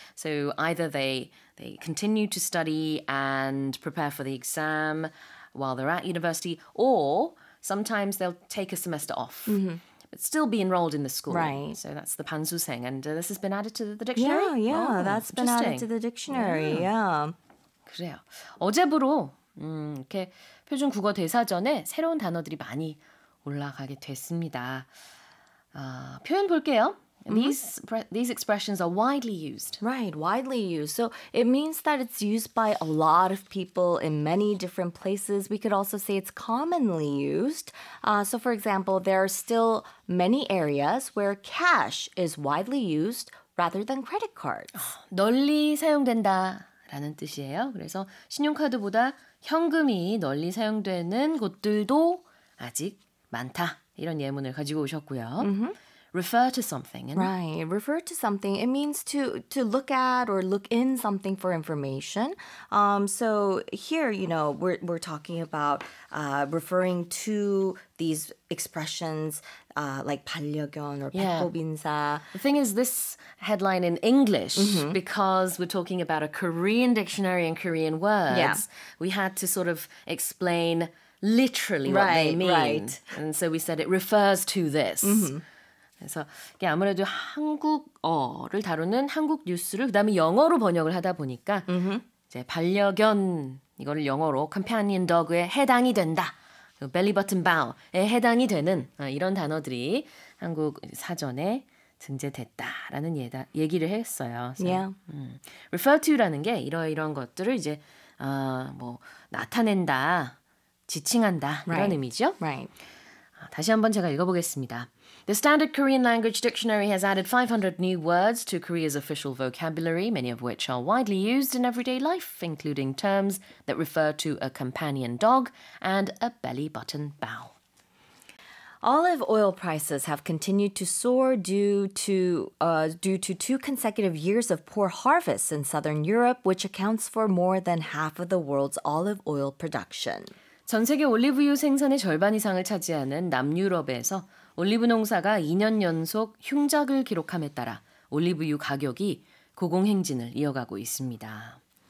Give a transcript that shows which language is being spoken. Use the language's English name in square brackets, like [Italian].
[English] So either they continue to study and prepare for the exam while they're at university, or sometimes they'll take a semester off. Mm-hmm. But still be enrolled in the school. Right. So that's the 반수생. And this has been added to the dictionary? Yeah, yeah. Oh, that's been added to the dictionary. Yeah. yeah. [Korean] 그래요. 어제부로 이렇게 표준 국어 대사전에 새로운 단어들이 많이 올라가게 됐습니다. 표현 볼게요. [English] These expressions are widely used. Right, widely used. So it means that it's used by a lot of people in many different places. We could also say it's commonly used. So for example, there are still many areas where cash is widely used rather than credit cards. [Korean] 널리 사용된다. 라는 뜻이에요. 그래서 신용카드보다 현금이 널리 사용되는 곳들도 아직 많다. 이런 예문을 가지고 오셨고요. [English] Refer to something. And right. Refer to something. It means to look at or look in something for information. So here, you know, we're talking about referring to these expressions like 반려견 or 백보빈사. The thing is, this headline in English, because we're talking about a Korean dictionary and Korean words, yeah. we had to sort of explain literally right, what they mean. Right. And so we said it refers to this. Mm-hmm. [Korean] 그래서 이게 아무래도 한국어를 다루는 한국 뉴스를 그다음에 영어로 번역을 하다 보니까 이제 반려견 이거를 영어로 companion dog에 해당이 된다. 벨리 버튼 바우에 해당이 되는 이런 단어들이 한국 사전에 등재됐다라는 얘기를 했어요. [English] Yeah. [Korean] refer to라는 게 이러이러한 것들을 이제 뭐 나타낸다. 지칭한다. 이런 [English] right. [Korean] 의미죠? [English] Right. [Korean] 다시 한번 제가 읽어보겠습니다. [English] The Standard Korean Language Dictionary has added 500 new words to Korea's official vocabulary, many of which are widely used in everyday life, including terms that refer to a companion dog and a belly button bow. Olive oil prices have continued to soar due to two consecutive years of poor harvests in southern Europe, which accounts for more than half of the world's olive oil production. [Korean] 전 세계 올리브유 생산의 절반 이상을 차지하는 남유럽에서 올리브 농사가 2년 연속 흉작을 기록함에 따라 올리브유 가격이 고공행진을 이어가고 있습니다.